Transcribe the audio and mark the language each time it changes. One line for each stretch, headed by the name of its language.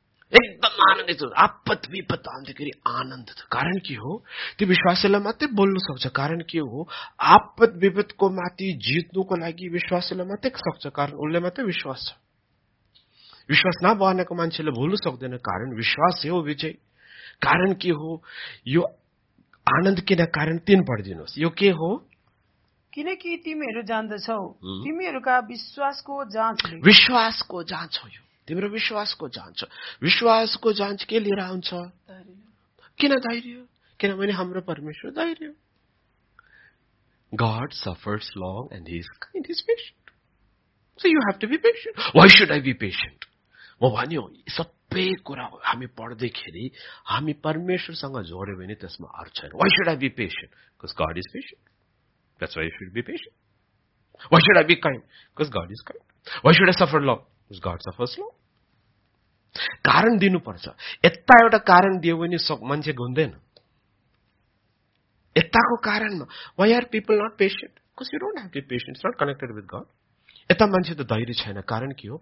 Nepali: एकदम आनन्दित छ, आपत विपत आउँदाखेरि आनन्द छ. कारण के हो? त्यो विश्वासीलाई मात्रै बोल्नु सक्छ. कारण के हो? आपत विपदको माथि जित्नुको लागि विश्वासीलाई मात्रै सक्छ, कारण उसले मात्रै विश्वास छ. विश्वास नभएको मान्छेले भुल्नु सक्दैन, कारण विश्वास हो विजय. कारण के हो यो आनन्द? किन? कारण तिन पढिदिनुहोस्, यो के हो? किनकि तिमीहरू जान्दछौ तिमीहरूका विश्वासको जाँच, विश्वासको जाँच हो यो. तिम्रो विश्वासको जाँच, विश्वासको जाँच के लिएर आउँछ? किन धैर्य? किनभने हाम्रो परमेश्वर धैर्य.
English: God suffers long and he is kind, he is patient, so you have to be patient. Why should I be patient?
Nepali: म भन्यो सबै कुरा हामी पढ्दैखेरि हामी परमेश्वरसँग जोड्यो भने त्यसमा अर्थ छैन.
English: Why should I be patient? Because God is patient, that's why you should be patient. Why should I be kind? Because God is kind. Why should I suffer long? God's the first law.
Nepali: कारण दिनुपर्छ. यता एउटा कारण दियो भने मान्छे घुम्दैन. यताको कारणमा
English: Why are people not patient? Because you don't have to be patient, not connected with God.
Nepali: यता मान्छे त धैर्य छैन, कारण के हो?